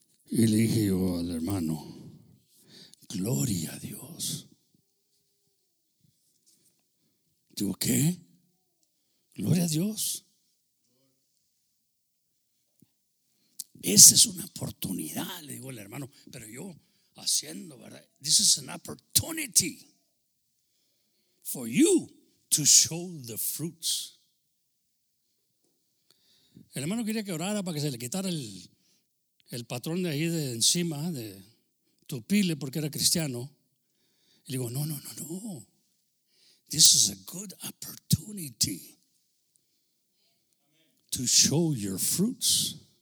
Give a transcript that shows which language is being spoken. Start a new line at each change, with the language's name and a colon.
Spanish: Y le dije yo al hermano, gloria a Dios. Digo, ¿qué? Gloria a Dios. Esa es una oportunidad, le digo al hermano. Pero yo haciendo, ¿verdad?
English: This is an opportunity for you to show the fruits.
Spanish: El hermano quería que orara para que se le quitara el patrón de ahí de encima, de tupile, porque era cristiano. Y le digo, no.
English: This is a good opportunity to show your fruits.